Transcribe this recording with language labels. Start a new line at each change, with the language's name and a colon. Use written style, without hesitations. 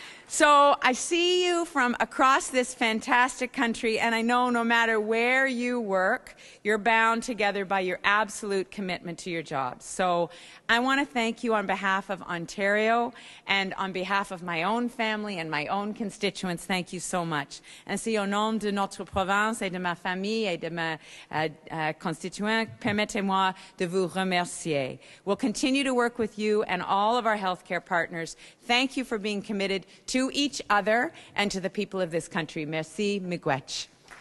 English: So I see you from across this fantastic country, and I know no matter where you work, you're bound together by your absolute commitment to your job. So I want to thank you on behalf of Ontario and on behalf of my own family and my own constituents. Thank you so much.
French: Ainsi, au nom de notre province et de ma famille et de ma constituante, permettez-moi de vous remercier.
English: We'll continue to work with you and all of our healthcare partners. Thank you for being committed to each other and to the people of this country. Merci, miigwech.